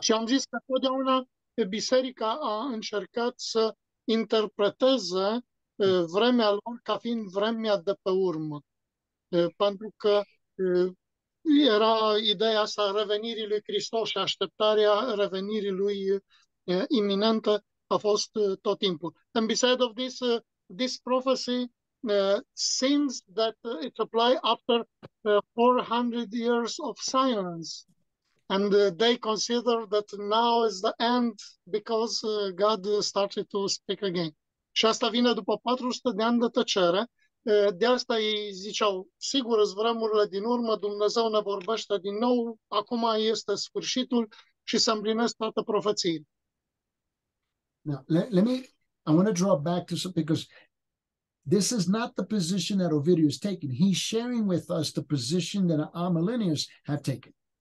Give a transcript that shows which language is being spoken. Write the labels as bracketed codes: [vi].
[ro] Și am zis că totdeauna biserica a încercat să interpreteze vremea lor ca fiind vremea de pe urmă. Pentru că era ideea asta a revenirii lui Hristos și așteptarea revenirii lui iminentă a fost tot timpul. [en] And beside of this prophecy seems that it apply after 400 years of silence. And they consider that now is the end because God started to speak again. [ro] Și asta vine după 400 de ani de tăcere. De asta ei ziceau, sigur, sunt vremurile din urmă, Dumnezeu ne vorbește din nou, acum este sfârșitul și se împlinesc toate profețiile. [en] Now, let me, I want to draw back to something because this is not the position that Ovidius is taking. He's sharing with us the position that our millennials have taken.